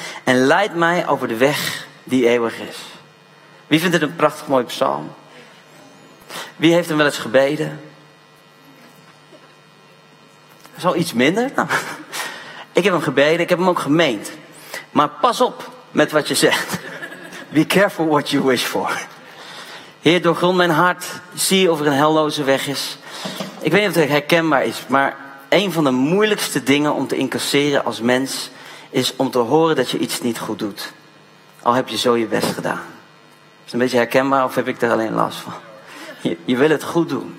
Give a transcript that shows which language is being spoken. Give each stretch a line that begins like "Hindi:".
Dutch: En leid mij over de weg die eeuwig is. Wie vindt het een prachtig mooi psalm? Wie heeft hem wel eens gebeden? Zo iets minder? Nou, ik heb hem gebeden, ik heb hem ook gemeend. Maar pas op met wat je zegt.
English: Be careful what you wish for.
Dutch: Heer, doorgrond mijn hart. Zie of er een helloze weg is. Ik weet niet of het herkenbaar is, maar een van de moeilijkste dingen om te incasseren als mens is om te horen dat je iets niet goed doet. Al heb je zo je best gedaan. Is het een beetje herkenbaar of heb ik er alleen last van? Je wil het goed doen.